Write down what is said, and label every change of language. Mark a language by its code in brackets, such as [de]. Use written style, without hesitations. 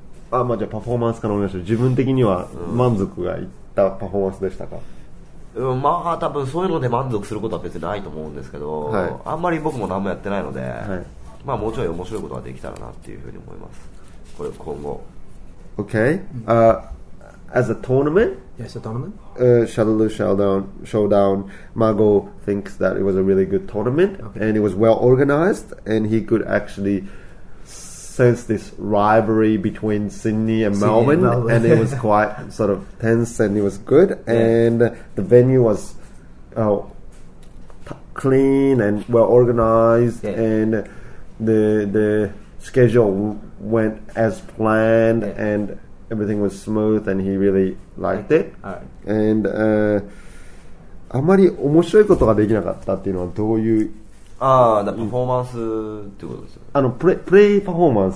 [ja] あ、まあ、じゃあパフォーマンスからお願いします。自分的には満足がいったパフォーマンスでしたか？まあ多分そういうので満足することは別にないと思うんですけど、はい、あんまり僕も何もやってないので、はい、まあもうちょい面白いことができたらなっていうふうに思います。これ今後 [en] OK、as a tournament? Yes, a tournament. Shadaloo Showdown, Mago thinks that it was a really good tournament, okay. And it was well organized, and he could actually sense this rivalry between Sydney and Melbourne, and it was quite sort of tense, and it was good, yeah. And the venue was clean and well organized, yeah. And the schedule went as planned, yeah. And everything was smooth, and he really liked it. All right. [ja] And あまり面白いことができなかったっていうのはどういう、ああ、だパフォーマンスってことですよ。あのプレイパフォーマンス。